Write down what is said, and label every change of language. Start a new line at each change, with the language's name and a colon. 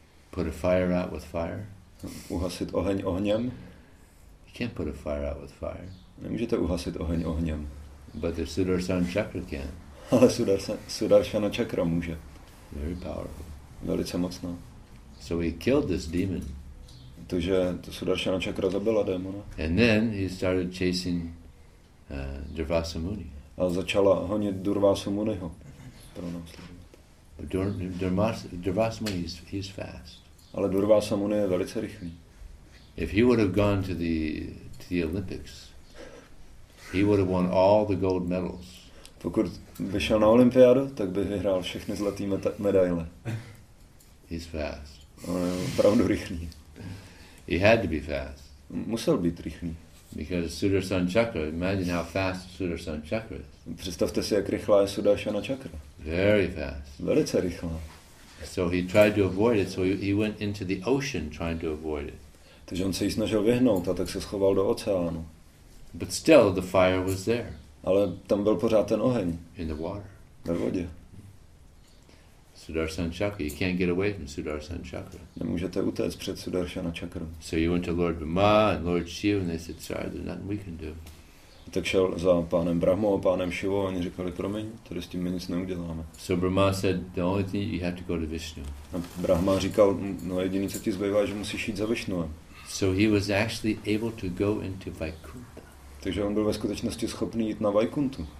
English: Put a fire out with fire?
Czech: Uhasit oheň ohněm?
English: You can't put a fire out with fire.
Czech: Nemůžete uhasit oheň ohněm.
English: But the Sudarshan Chakra can.
Czech: Ale Sudarshana Chakra může.
English: Very powerful.
Czech: Velice mocná.
English: So he killed this demon.
Czech: Takže to Sudarshana Chakra zabila démona.
English: And then he started chasing Durvasa Muni.
Czech: A začala honit Durvasa Muniho.
English: Durvasa Muni is fast.
Czech: Ale Durvasa Muni je velice rychlý.
English: If he would have gone to the Olympics, he would have won all the gold medals.
Czech: Pokud by šel na olympiádu, tak by vyhrál všechny zlatý medaile.
English: He's fast.
Czech: On je opravdu rychlý.
English: He had to be fast.
Czech: Musel být rychlý.
English: Because Sudarshan Chakra, imagine how fast Sudarshan Chakra is.
Czech: Představte si, jak rychlá je Sudarshana Chakra.
English: Very fast.
Czech: Velice rychlá.
English: So he tried to avoid it, so he went into the ocean trying to avoid it.
Czech: Takže on se jí snažil vyhnout a tak se schoval do oceánu.
English: But still the fire was there.
Czech: Ale tam byl pořád ten oheň.
English: In the water.
Czech: Ve vodě.
English: Sudarshan Chakra. You can't get away from Sudarshan Chakra.
Czech: Nemůžete utéct před Sudarshana Chakra.
English: So you went to Lord Brahma and Lord Shiva and they said, sorry, there's nothing we can do.
Czech: Tak šel za pánem Brahmou a pánem Shivou a oni říkali, promiň, tady s tím my nic neuděláme.
English: So Brahma said, the only thing you have to go to Vishnu.
Czech: A Brahma říkal, no jediný, co ti zbývá, že musíš jít za Vishnu.
English: So he was actually able to go into Vaikuntha.
Czech: Takže on byl ve skutečnosti schopný jít na Vaikuntu.